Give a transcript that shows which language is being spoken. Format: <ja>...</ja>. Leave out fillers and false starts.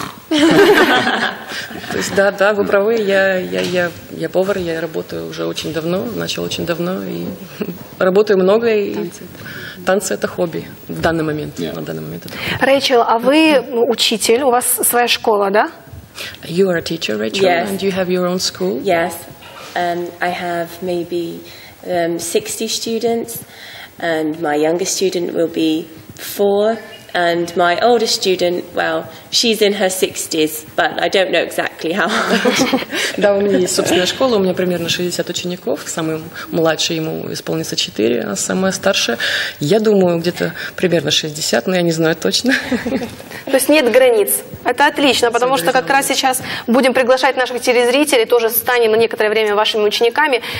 <ru>То есть да, вы правы. Я повар, я работаю уже очень давно, начал очень давно и работаю много и танцы это хобби в данный момент.</ru> <en>Yeah.</en> <ru>На данный момент это. Рэйчел, а вы учитель, у вас своя школа, да?</ru> <en>You are a teacher, Rachel, yes. And you have your own school. Yes, I have maybe 60 students, and my youngest student will be 4. And my oldest student, well, she's in her 60s, but I don't know exactly how old.</en> <ru>Да, у меня есть собственная школа, у меня примерно 60 учеников, самый младший ему исполнится 4, а самая старшая, я думаю, где-то примерно 60, но я не знаю точно. То есть нет границ. Это отлично, потому что как раз сейчас будем приглашать наших телезрителей, тоже станем на некоторое время вашими учениками.</ru>